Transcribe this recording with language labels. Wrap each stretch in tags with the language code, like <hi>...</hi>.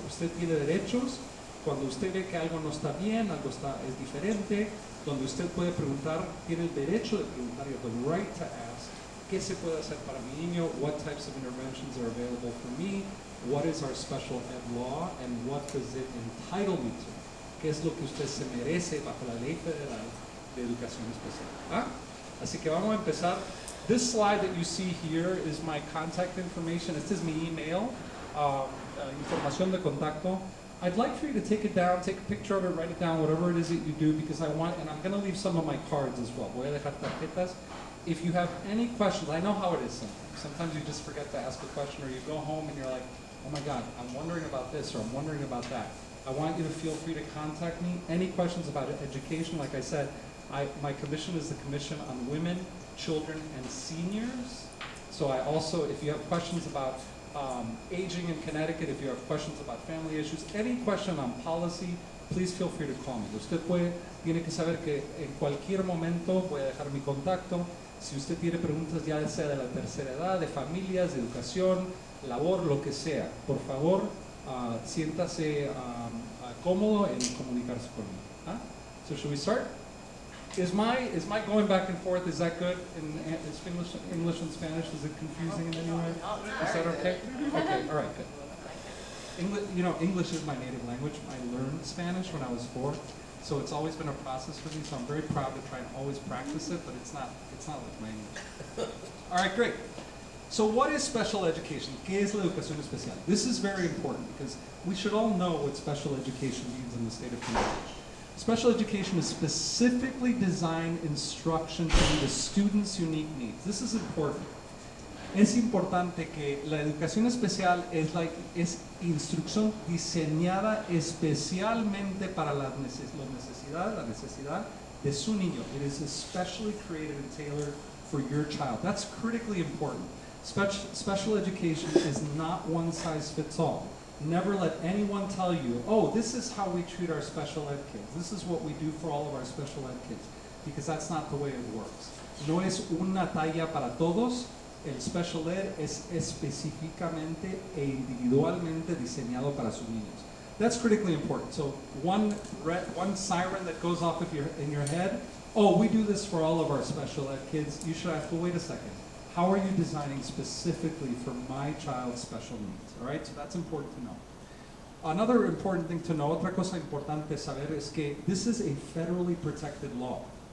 <es>Usted tiene derechos. Cuando usted ve que algo no está bien, algo es diferente, donde usted puede preguntar, tiene el derecho de preguntar,</es> <en>you have the right to ask,</en> <es>¿qué se puede hacer para mi niño?</es> <en>What types of interventions are available for me? What is our special ed law? And what does it entitle me to?</en> <es>¿Qué es lo que usted se merece bajo la ley federal de educación especial? ¿Ah? Así que vamos a empezar.</es> <en>This slide that you see here is my contact information. This is my email,</en> <es>información de contacto.</es> <en>I'd like for you to take it down, take a picture of it, write it down, whatever it is that you do, because I want, and I'm going to leave some of my cards as well.</en> <es>Voy a dejar tarjetas.</es> <en>If you have any questions, I know how it is sometimes. Sometimes you just forget to ask a question, or you go home and you're like, oh my God, I'm wondering about this, or I'm wondering about that. I want you to feel free to contact me. Any questions about education, like I said, my commission is the Commission on Women, Children, and Seniors. So I also, if you have questions about aging in Connecticut, if you have questions about family issues, any question on policy, please feel free to call me.</en> <es>Usted tiene que saber que en cualquier momento voy a dejar mi contacto. Si usted tiene preguntas ya sea de la tercera edad, de familias, de educación, labor, lo que sea, por favor, siéntase cómodo en comunicarse conmigo.</es> <en>Huh? So should we start? Is my going back and forth, is that good? Is English and Spanish, is it confusing in any way? Is that okay? Okay, all right, good. English is my native language. I learned Spanish when I was 4, so it's always been a process for me, so I'm very proud to try and always practice it, but it's not like my English. All right, great. So what is special education?</en> <es>¿Qué es la educación especial?</es> <en>This is very important because we should all know what special education means in the state of Connecticut. Special education is specifically designed instruction to meet a student's unique needs. This is important.</en> <es>Es importante que la educación especial es instrucción diseñada especialmente para la necesidad de su niño.</es> <en>It is especially created and tailored for your child. That's critically important. Special education is not one size fits all. Never let anyone tell you, oh, this is how we treat our special ed kids. This is what we do for all of our special ed kids. Because that's not the way it works.</en> <es>No es una talla para todos. El special ed es específicamente e individualmente diseñado para sus niños.</es> <en>That's critically important. So one siren that goes off in your head, oh, we do this for all of our special ed kids. You should have to wait a second. How are you designing specifically for my child's special needs, all right? So that's important to know. Another important thing to know,</en> <es>otra cosa importante saber, es que</es> <en>this is a federally protected law.</en>